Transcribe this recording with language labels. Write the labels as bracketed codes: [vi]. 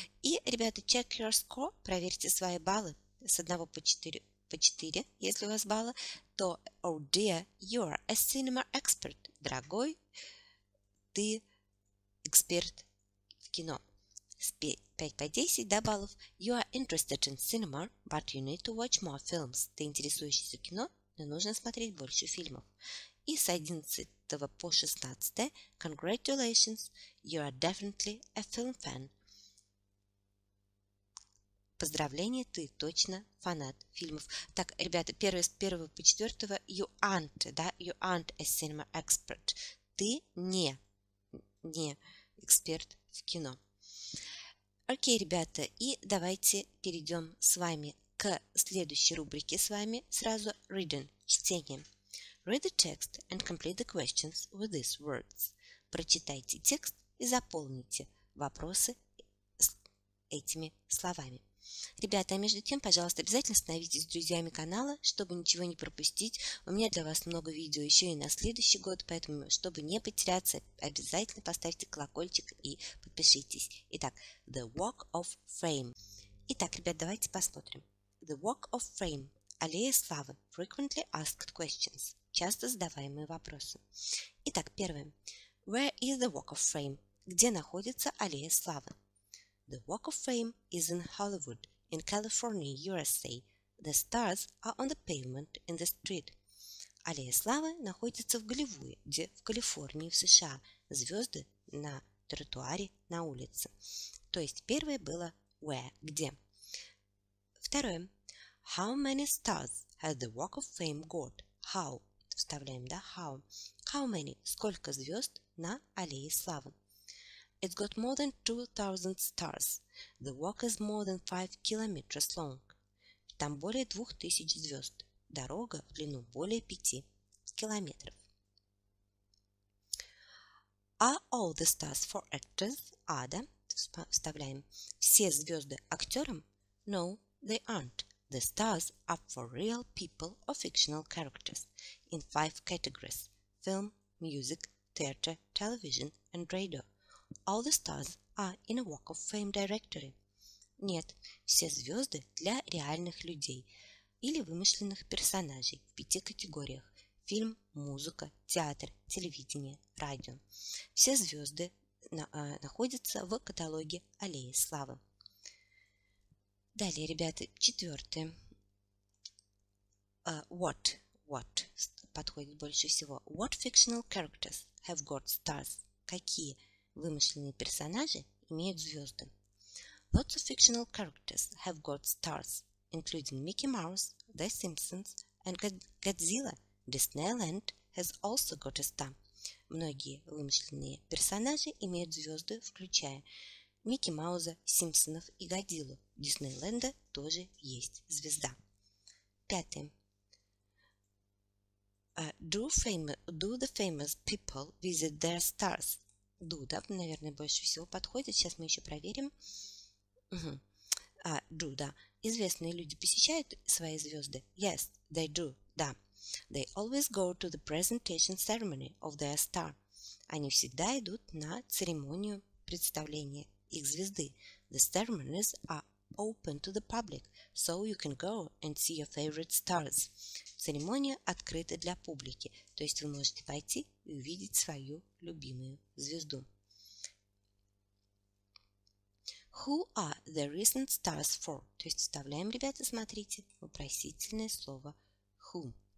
[ru] И, ребята, [en] check your score. [ru] Проверьте свои баллы с 1 по 4. По 4, если у вас баллы, то [en] oh dear, you are a cinema expert. [ru] Дорогой, ты эксперт в кино. С 5 по 10, да, баллов. [en] You are interested in cinema, but you need to watch more films. [ru] Ты интересуешься кино, но нужно смотреть больше фильмов. И с 11 по 16, [en] congratulations, you are definitely a film fan. [ru] Поздравление, ты точно фанат фильмов. Так, ребята, первое, с первого по четвертого, [en] you aren't, [ru] да, [en] you aren't a cinema expert. [ru] Ты не эксперт в кино. Окей, ребята, и давайте перейдем с вами к следующей рубрике с вами, сразу reading, чтение. [en] Read the text and complete the questions with these words. [ru] Прочитайте текст и заполните вопросы с этими словами. Ребята, а между тем, пожалуйста, обязательно становитесь друзьями канала, чтобы ничего не пропустить. У меня для вас много видео еще и на следующий год, поэтому, чтобы не потеряться, обязательно поставьте колокольчик и подпишитесь. Итак, The Walk of Fame. Итак, ребят, давайте посмотрим. [en] The Walk of Fame. [ru] Аллея славы. [en] Frequently asked questions. [ru] Часто задаваемые вопросы. Итак, первое. [en] Where is the Walk of Fame? [ru] Где находится Аллея славы? [en] The Walk of Fame is in Hollywood, in California, USA. The stars are on the pavement in the street. [ru] Аллея славы находится в Голливуде, в Калифорнии, в США. Звезды на тротуаре, на улице. То есть первое было where, где. Второе. [en] How many stars has the Walk of Fame got? How? [ru] Вставляем, да, [en] how. How many? [ru] Сколько звезд на Аллее славы? [en] It's got more than 2,000 stars. The walk is more than 5 kilometers long. [ru] Там более 2,000 звезд. Дорога в длину более 5 километров. [en] Are all the stars for actors? [ru] Ада. Вставляем. Все звезды актерам? [en] No, they aren't. The stars are for real people or fictional characters in 5 categories. Film, music, theater, television and radio. All the stars are in a Walk of Fame directory. [ru] Нет, все звезды для реальных людей или вымышленных персонажей в 5 категориях. Фильм, музыка, театр, телевидение, радио. Все звезды находятся в каталоге Аллеи Славы. Далее, ребята, четвертое. [en] What? What? [ru] Подходит больше всего. [en] What fictional characters have got stars? [ru] Какие? Вымышленные персонажи имеют звезды. [en] Lots of fictional characters have got stars, including Mickey Mouse, The Simpsons, and Godzilla. Disneyland has also got a star. [ru] Многие вымышленные персонажи имеют звезды, включая Микки Мауза, Симпсонов и Годзиллу. Диснейленда тоже есть звезда. Пятое. [en] Do the famous people visit their stars? [ru] Do, да, наверное, больше всего подходит. Сейчас мы еще проверим. Do, да. Известные люди посещают свои звезды? [en] Yes, they do, да. They always go to the presentation ceremony of their star. [ru] Они всегда идут на церемонию представления их звезды. [en] The ceremonies are open to the public, so you can go and see your favorite stars. [ru] Церемония открыта для публики, то есть вы можете пойти и увидеть свою любимую звезду. [en] Who are the recent stars for? [ru] То есть вставляем, ребята, смотрите, вопросительное слово who.